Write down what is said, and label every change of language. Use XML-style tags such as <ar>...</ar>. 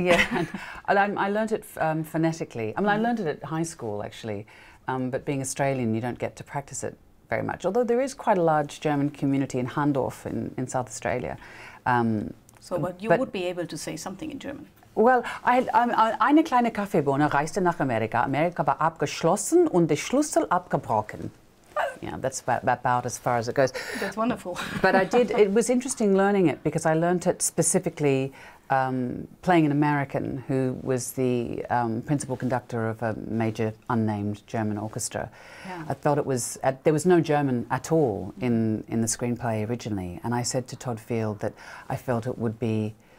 <en>Yeah, I learned it phonetically. I mean, I learned it at high school, actually. But being Australian, you don't get to practice it very much. Although there is quite a large German community in Handorf in South Australia. But would be able to say something in German.</en> <de>Well, eine kleine Kaffeebohne reiste nach Amerika. Amerika war abgeschlossen und der Schlüssel abgebrochen.</de> <en>Yeah, that's about as far as it goes. That's wonderful. But I did. It was interesting learning it because I learned it specifically playing an American who was the principal conductor of a major unnamed German orchestra. Yeah. I thought it was there was no German at all in the screenplay originally, and I said to Todd Field that I felt it would be.</en>